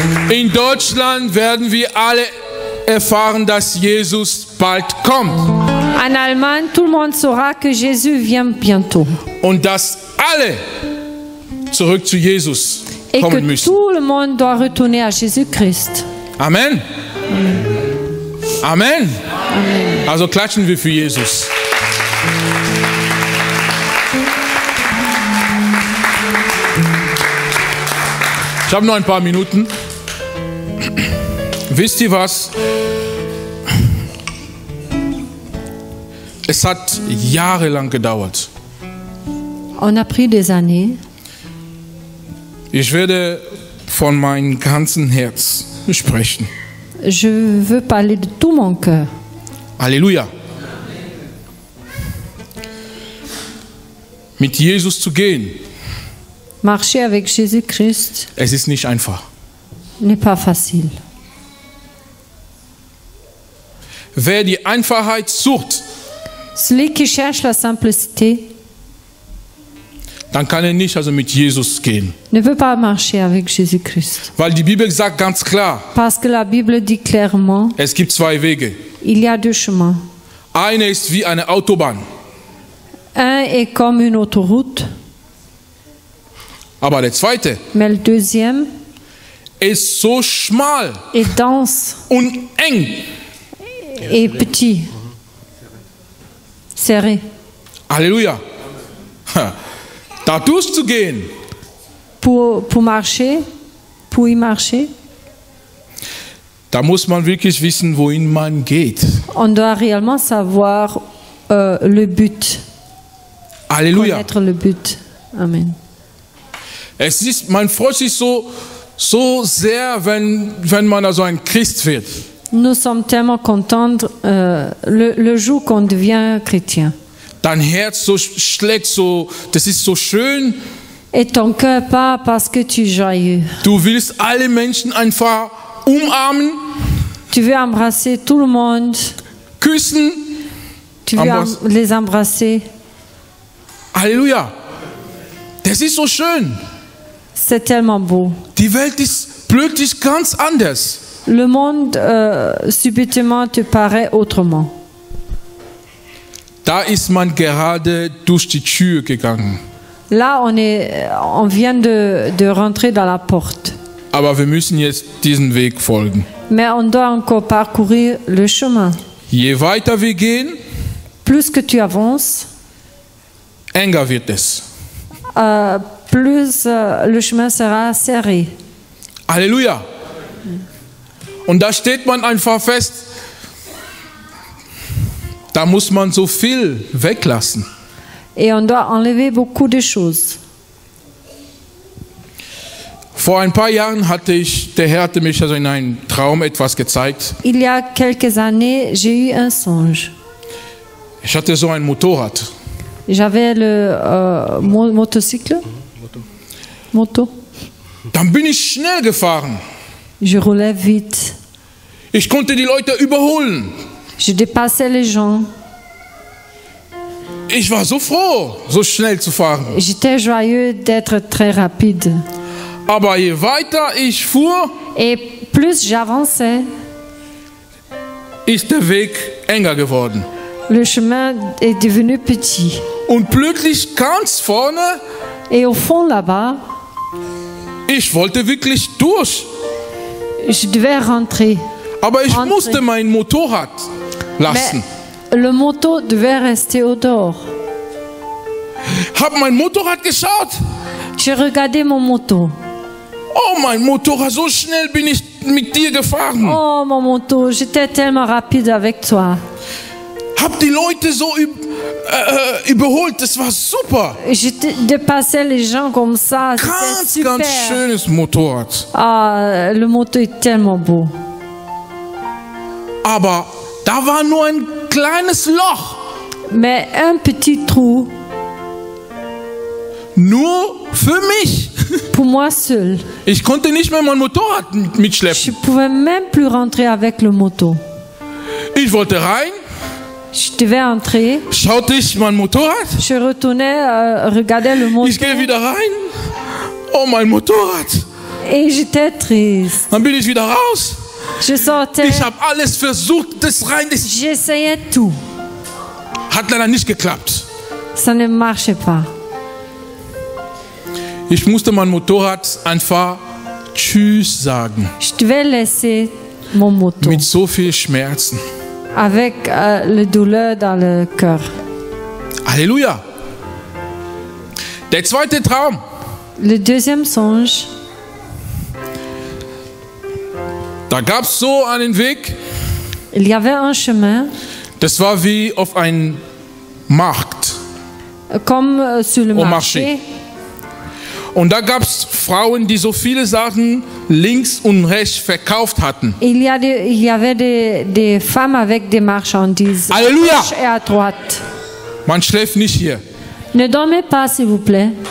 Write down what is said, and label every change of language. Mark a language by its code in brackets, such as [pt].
[de] In Deutschland werden wir alle erfahren, dass Jesus bald kommt. [fr] En Allemagne, tout le monde saura que Jésus vient bientôt. [de] Und dass alle zurück zu Jesus kommen müssen. [fr] Et que tout le monde doit retourner à Jésus-Christ. Amen. Amen. Amen. [de] Also klatschen wir für Jesus. Ich habe noch ein paar Minuten. Wisst ihr was? Es hat jahrelang gedauert. [fr] On a pris des années. [de] Ich werde von meinem ganzen Herz sprechen. [fr] Je veux parler de tout mon cœur. Alléluia. [de] Mit Jesus zu gehen. [fr] Marcher avec Jésus-Christ. [de] Es ist nicht einfach. [fr] N'est pas facile. [de] Wer die Einfachheit sucht, [fr] celui qui cherche la simplicité, [de] dann kann er nicht also mit Jesus gehen. [fr] Ne veut pas marcher avec Jésus-Christ. [de] Weil die Bibel sagt ganz klar. [fr] Parce que la Bible dit clairement. [de] Es gibt zwei Wege. [fr] Il y a deux chemins. [de] Eine ist wie eine Autobahn. [fr] Un est comme une autoroute. [de] Aber der zweite. [fr] Mais le deuxième. [de] Ist so schmal. [fr] Et dense. [de] Und eng. [fr] Et petit. Serré. [de] Alléluia. Da durchzugehen. [fr] Pour marcher, pour y marcher. [de] Da muss man wirklich wissen, wohin man geht. [fr] On doit réellement savoir le but. Alléluia. Connaître le but. Amen. [de] Es ist, man freut sich so sehr, wenn man also ein Christ wird. [fr] Nous sommes tellement contents le jour qu'on devient chrétien. [de] Dein Herz so schlägt so, das ist so schön. [fr] Et ton cœur part parce que tu es joyeux. [de] Du willst alle Menschen einfach umarmen. [fr] Tu veux embrasser tout le monde. [de] Küssen. [fr] Tu veux les embrasser. [de] Alléluia. Das ist so schön. [fr] C'est tellement beau. [de] Die Welt ist plötzlich ganz anders. [fr] Le monde subitement te paraît autrement. [de] Da ist man gerade durch die Tür gegangen. [fr] Là, on vient de rentrer dans la porte. [de] Aber wir müssen jetzt diesen Weg folgen. [fr] Mais on doit encore parcourir le chemin. [de] Je weiter wir gehen, [fr] plus que tu avances, [de] enger wird es. [fr] Plus le chemin sera serré. Alléluia. [de] Und da steht man einfach fest. Da muss man so viel weglassen. [fr] Et on doit enlever beaucoup de choses. [de] Vor ein paar Jahren hatte ich, der Herr hatte mich also in einem Traum etwas gezeigt. [fr] Il y a quelques années, j'ai eu un songe. [de] Ich hatte so ein Motorrad. [fr] J'avais le motocycle. Moto. [de] Dann bin ich schnell gefahren. [fr] Je roulais vite. [de] Ich konnte die Leute überholen. [fr] Je dépassais les gens. [de] Ich war so froh, so schnell zu fahren. [fr] J'étais joyeux d'être très rapide. [de] Aber je weiter ich fuhr, [fr] et plus j'avançais, [de] ist der Weg enger geworden. [fr] Le chemin est devenu petit. [de] Und plötzlich ganz vorne, [fr] et au fond là-bas, [de] ich wollte wirklich durch. [fr] Je devais rentrer. [de] Aber ich musste mein Motorrad lassen. [fr] Le moto devait rester au dehors. [de] Hab mein Motorrad geschaut. [fr] J'ai regardé mon moto. [de] Oh, mein Motorrad, so schnell bin ich mit dir gefahren. [fr] Oh, mon moto, j'étais tellement rapide avec toi. [de] Hab die Leute so überholt, das war super. [fr] J'étais dépassé les gens comme ça, [de] ganz, [fr] c'était super. [de] Ganz schönes Motorrad. [fr] Ah, le moto est tellement beau. [de] Aber da war nur ein kleines Loch. [fr] Mais un petit trou. [de] Nur für mich. [fr] Pour moi seul. [de] Ich konnte nicht mehr mein Motorrad mitschleppen. [fr] Je pouvais même plus rentrer avec le moto. [de] Ich wollte rein. [fr] Je devais entrer. [de] Schaute ich mein Motorrad. [fr] Je retournais, regardais le moto. [de] Ich gehe wieder rein. Oh, mein Motorrad. [fr] Et j'étais triste. [de] Dann bin ich wieder raus. [fr] Je sortais. [de] Ich habe alles versucht, das rein. Das [fr] j'essayais tout. [de] Hat leider nicht geklappt. [fr] Ça ne marchait pas. [de] Ich musste mein Motorrad einfach tschüss sagen. [fr] Je devais laisser mon moto. [de] Mit so viel Schmerzen. [fr] Avec le douleur dans le cœur. [de] Alléluia. Der zweite Traum. [fr] Le deuxième songe. [de] Da gab es so einen Weg. [fr] Il y avait un chemin. [de] Das war wie auf ein Markt. [fr] Comme sur le marché. [de] Und da gab es Frauen, die so viele Sachen links und rechts verkauft hatten. [fr] Il y avait des femmes avec des marchandises. Alléluia! Et à droite. [de] Man schläft nicht hier. [fr] Ne dormez pas, s'il vous plaît.